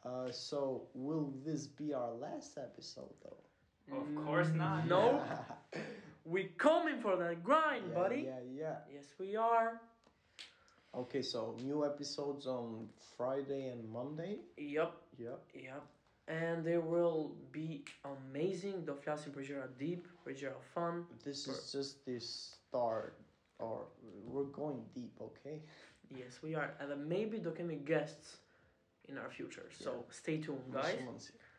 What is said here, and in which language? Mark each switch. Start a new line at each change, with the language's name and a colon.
English: So, will this be our last episode, though? Of course not. No. Yeah. We coming for the grind, yeah, buddy. Yeah. Yes, we are. Okay, so new episodes on Friday and Monday. Yep. And they will be amazing.
Albanian: Do flasim për gjëra deep, për gjëra fun.
English: This is just the start, or we're going deep, okay? Yes, we are. And maybe
Albanian: do kemi
English: guests in our future. So stay tuned, guys.